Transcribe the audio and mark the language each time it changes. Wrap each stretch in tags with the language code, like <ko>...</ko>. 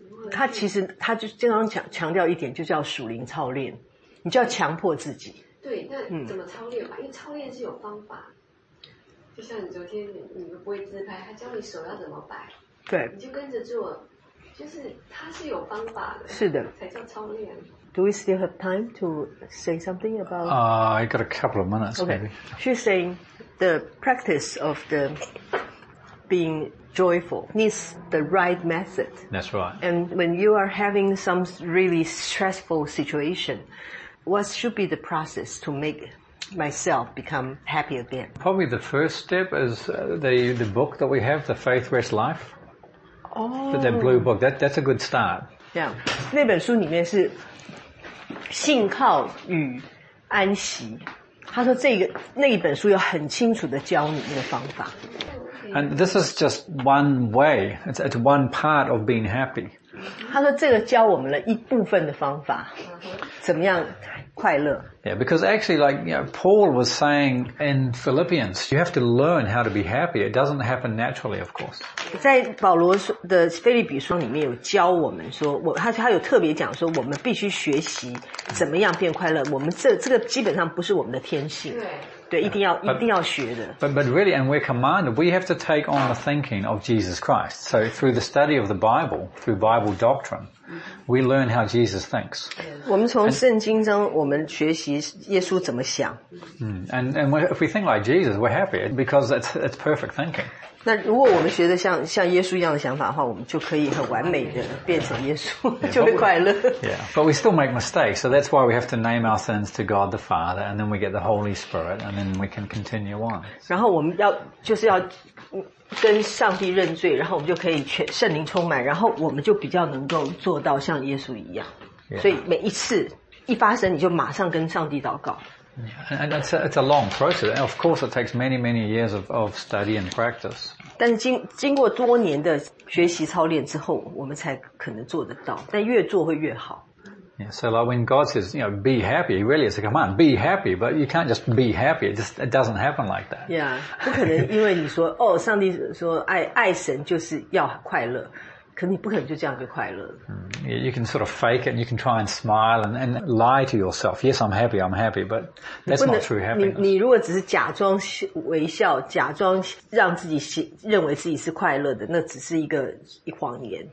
<zh>他其实他就经常强调一点，就叫属灵操练，你就要强迫自己。对，那怎么操练吧？因为操练是有方法，就像你昨天你们不会自拍，他教你手要怎么摆，对，你就跟着做，就是他是有方法的，是的，才叫操练。</zh> <en>Do we still have time to say something about? I got a couple of minutes. Okay, she's saying the practice of the being. Joyful needs the right method. That's right. And when you are having some really stressful situation, what should be the process to make myself become happy again? Probably the first step is the book that we have, The Faith Rest Life. Oh. That blue book. That's a good start. Yeah.</en> <zh>那本书里面是信靠与安息。他说这个那一本书要很清楚地教你那个方法。</zh> <en>And this is just one way. It's one part of being happy.</en> <zh>他说这个教我们了一部分的方法，怎么样快乐。</zh> <en>Yeah, because actually, like, you know, Paul was saying in Philippians, you have to learn how to be happy. It doesn't happen naturally, of course.</en> <zh>在保罗的腓立比书里面有教我们说，他有特别讲说，我们必须学习怎么样变快乐。我们这个基本上不是我们的天性。对，一定要学的。</zh> <en>But really, and we're commanded, we have to take on the thinking of Jesus Christ. So through the study of the Bible, through Bible doctrine, We learn how Jesus thinks.</en> <zh>我们从圣经中我们学习耶稣怎么想。</zh> <en>And if we think like Jesus, we're happy because it's perfect thinking.</en> <zh>那如果我们学的像耶稣一样的想法的话，我们就可以很完美的变成耶稣，就会快乐。</zh> <en>Yeah, but we still make mistakes, so that's why we have to name our sins to God the Father, and then we get the Holy Spirit, and then we can continue on.</en> <zh>然后我们要就是要跟上帝认罪，然后我们就可以全圣灵充满，然后我们就比较能够做到像耶稣一样。</zh> <en>Yeah.</en> <zh>所以每一次一发生，你就马上跟上帝祷告。</zh> <en>Yeah. And it's a long process. And of course, it takes many, many years of study and practice.</en> <zh>但是经过多年的学习操练之后，我们才可能做得到。但越做会越好。</zh> <en>Yeah, so like when God says, you know, be happy, really it's a command, be happy, but you can't just be happy, it doesn't happen like that. Yeah,</en> <zh>不可能因为你说哦，上帝说爱神就是要快乐，可你不可能就这样就快乐。</zh> <en>You can sort of fake it, you can try and smile and lie to yourself, yes, I'm happy, but that's not true happiness.</en> <zh>你如果只是假装微笑，假装让自己认为自己是快乐的，那只是一个谎言。</zh>